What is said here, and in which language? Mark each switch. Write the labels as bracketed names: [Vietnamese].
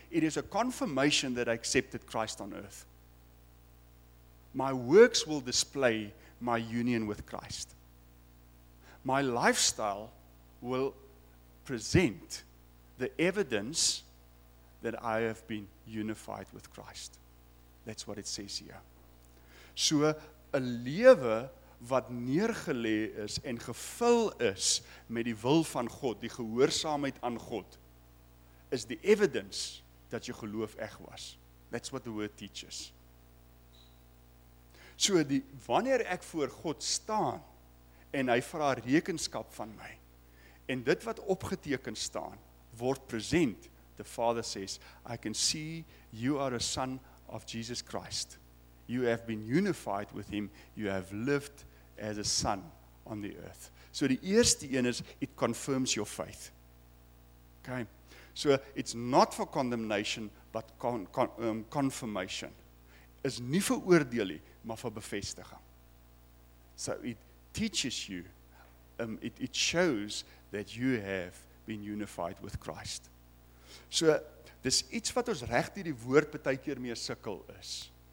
[English] It is a confirmation that I accepted Christ on earth. My works will display my union with Christ. My lifestyle will present the evidence that I have been unified with Christ. That's what it says here. [Afrikaans] So, 'n lewe wat neergelê is en gevul is met die wil van God, die gehoorsaamheid aan God, is [English] the evidence [Afrikaans] dat jy geloof eg was. [English] That's what the word teaches. [Afrikaans] So, wanneer ek voor God staan, en hy vra rekenskap van my, en dit wat opgeteken staan, word present, [English] the Father says, I can see you are a son of Jesus Christ. You have been unified with him. You have lived as a son on the earth. [Afrikaans] So die eerste een is, [English] it confirms your faith. Okay. So it's not for condemnation, but confirmation. [Afrikaans] Is nie vir oordeelie, maar vir bevestiging. [English] So it teaches you, it shows that you have been unified with Christ. [Afrikaans] So, dis iets wat ons reg deur die woord baie keer mee sukkel is.